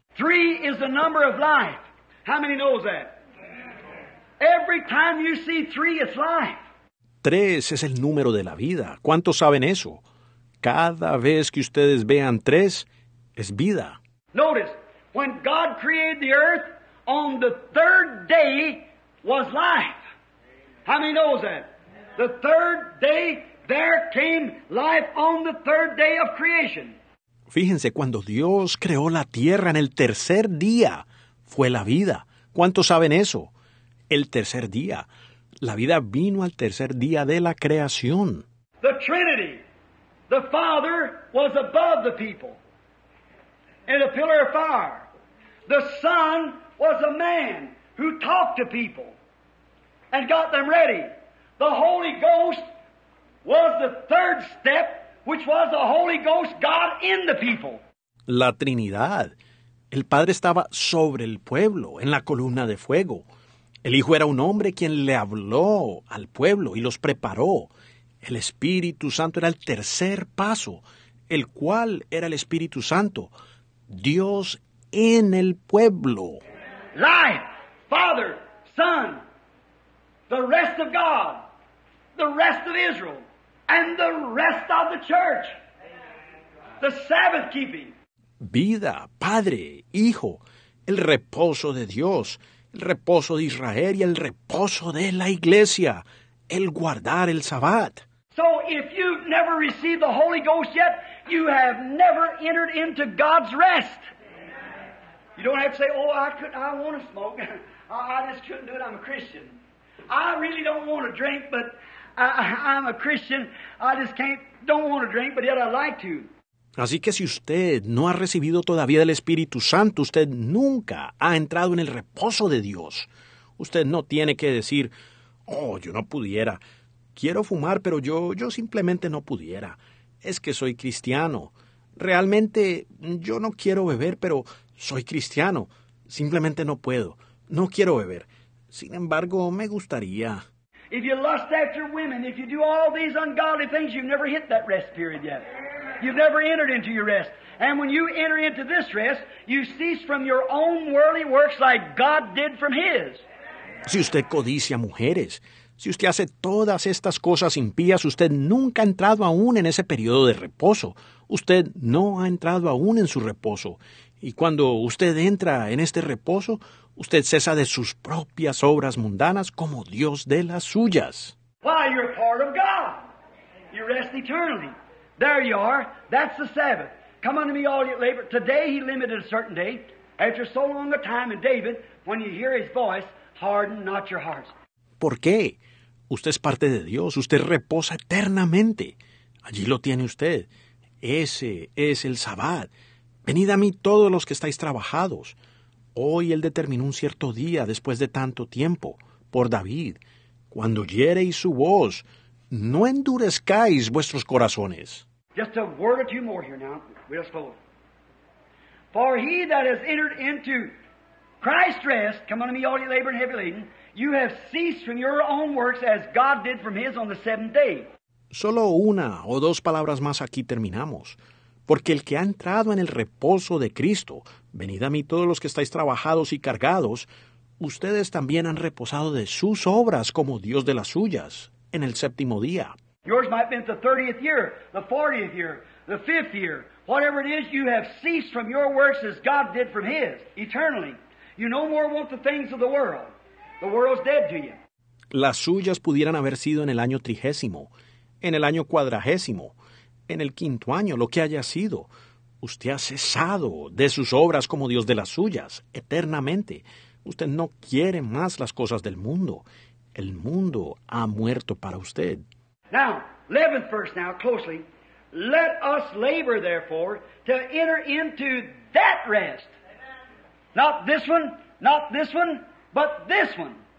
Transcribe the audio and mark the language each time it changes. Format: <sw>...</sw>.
<en>Three is the number of life. How many knows that? Every time you see three, it's life.</en> <es>Tres es el número de la vida. ¿Cuántos saben eso? Cada vez que ustedes vean tres, es vida.</es> <en>Notice, when God created the earth, on the third day was life. How many knows that? The third day, there came life on the third day of creation.</en> <es>Fíjense, cuando Dios creó la tierra en el tercer día, fue la vida. ¿Cuántos saben eso? El tercer día. La vida vino al tercer día de la creación.</es> <en>The Trinity, the Father, was above the people. In a pillar of fire. The Son was a man who talked to people and got them ready. The Holy Ghost was the third step, which was the Holy Ghost, God in the people.</en> <es>La Trinidad. El Padre estaba sobre el pueblo, en la columna de fuego. El Hijo era un hombre quien le habló al pueblo y los preparó. El Espíritu Santo era el tercer paso, el cual era el Espíritu Santo. Dios en el pueblo.</es> <en>Life, Father, Son, the rest of God, the rest of Israel, and the rest of the church. The Sabbath keeping.</en> <es>Vida, Padre, Hijo, el reposo de Dios, el reposo de Israel y el reposo de la iglesia, el guardar el Sabbat.</es> <en>So if you've never received the Holy Ghost yet, you have never entered into God's rest. You don't have to say, oh, I want to smoke. I just couldn't do it. I'm a Christian. I really don't want to drink, but I'm a Christian. I just don't want to drink, but yet I like to.</en> <es>Así que si usted no ha recibido todavía el Espíritu Santo, usted nunca ha entrado en el reposo de Dios. Usted no tiene que decir, oh, yo no pudiera. Quiero fumar, pero yo simplemente no pudiera. Es que soy cristiano. Realmente, yo no quiero beber, pero soy cristiano. Simplemente no puedo. No quiero beber. Sin embargo, me gustaría.</es> <en>If you lust after women, if you do all these ungodly things, you've never hit that rest period yet. You've never entered into your rest. And when you enter into this rest, you cease from your own worldly works like God did from His.</en> <es>Si usted codicia mujeres, si usted hace todas estas cosas impías, usted nunca ha entrado aún en ese periodo de reposo. Usted no ha entrado aún en su reposo. Y cuando usted entra en este reposo, usted cesa de sus propias obras mundanas como Dios de las suyas.</es> <en>Why, you're part of God. You rest eternally. There you are. That's the Sabbath. Come unto me, all ye labor. Today he limited a certain day. After so long a time, and David, when you hear his voice, harden not your hearts.</en> <es>¿Por qué? Usted es parte de Dios. Usted reposa eternamente. Allí lo tiene usted. Ese es el Sabbat. Venid a mí todos los que estáis trabajados. Hoy él determinó un cierto día después de tanto tiempo por David. Cuando oyereis su voz, no endurezcáis vuestros corazones.</es> <en>Just a word or two more here now. We'll just close. For he that has entered into Christ's rest, come unto me all ye labor and heavy laden, you have ceased from your own works as God did from his on the seventh day.</en> <es>Solo una o dos palabras más aquí terminamos. Porque el que ha entrado en el reposo de Cristo, venid a mí todos los que estáis trabajados y cargados, ustedes también han reposado de sus obras como Dios de las suyas en el séptimo día.</es> <en>Yours might be the 30th year, the 40th year, the 5th year. Whatever it is, you have ceased from your works as God did from his, eternally. You no more want the things of the world. The world's dead to you.</en> <es>Las suyas pudieran haber sido en el año trigésimo, en el año cuadragésimo, en el quinto año, lo que haya sido. Usted ha cesado de sus obras como Dios de las suyas, eternamente. Usted no quiere más las cosas del mundo. El mundo ha muerto para usted.</es> <en>Now, 11th verse now, closely. Let us labor, therefore, to enter into that rest. Amen. Not this one, but this one.</en>